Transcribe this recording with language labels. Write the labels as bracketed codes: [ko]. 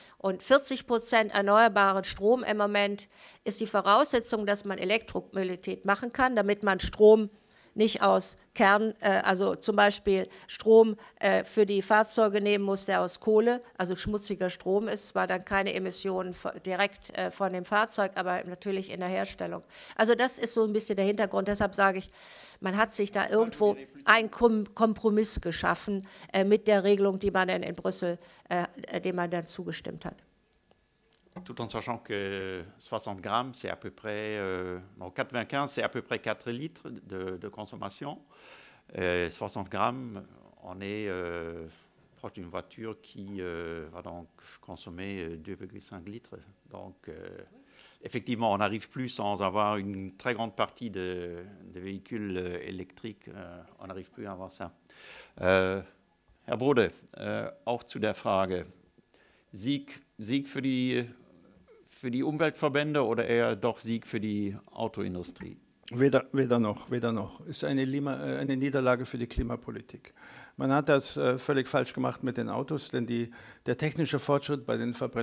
[de] Und 40% erneuerbaren Strom im Moment ist die Voraussetzung, dass man Elektromobilität machen kann, damit man Strom nicht aus Kern, also zum Beispiel Strom für die Fahrzeuge nehmen muss, der aus Kohle, also schmutziger Strom ist, zwar dann keine Emissionen direkt von dem Fahrzeug, aber natürlich in der Herstellung. Also das ist so ein bisschen der Hintergrund. Deshalb sage ich, man hat sich da irgendwo einen Kompromiss geschaffen mit der Regelung, die man dann in Brüssel, dem man dann zugestimmt hat. [fr] Tout en sachant que 60 grammes, c'est à peu près, 95, c'est à peu près 4 litres de consommation. 60 grammes, on est proche d'une voiture qui va donc consommer 2,5 litres. Donc, effectivement, on n'arrive plus sans avoir une très grande partie de véhicules électriques. On n'arrive plus à avoir ça. [de] Herr Brode, auch zu der Frage. Sieg für die... für die Umweltverbände oder eher doch Sieg für die Autoindustrie? Weder noch. Ist eine Niederlage für die Klimapolitik. Man hat das völlig falsch gemacht mit den Autos, denn der technische Fortschritt bei den